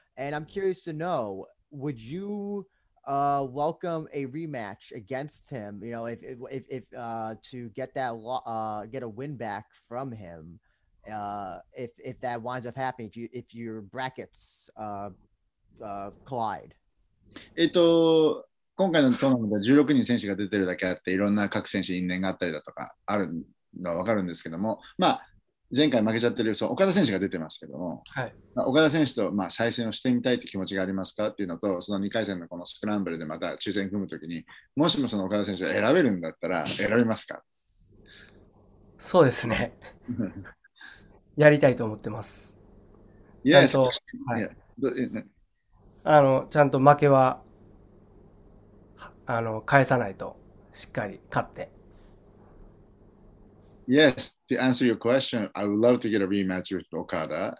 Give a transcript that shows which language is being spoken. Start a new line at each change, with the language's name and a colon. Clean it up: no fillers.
English: And I'm curious to know, would you welcome a rematch against him, if to get that get a win back from him, if that winds up happening, if your brackets collide.
Japanese: 今回のトーナメント16人選手が出てるだけあって、いろんな各選手因縁があったりだとか、あるのは分かるんですけども、まあ、前回負けちゃってる、そう、岡田選手が出てますけども、まあ、岡田選手とまあ再戦をしてみたいって気持ちがありますかっていうのと、その2回戦のこのスクランブルでまた抽選組むときに、もしもその岡田選手を選べるんだったら、選びますか？そうですね。やりたいと思ってます。ちゃん
English: Yes,
Japanese: と、
English: yeah.
Japanese: ちゃんと負けは、返さないと、しっかり勝って。
English: Yes, to answer your question, I would love to get a rematch with Okada.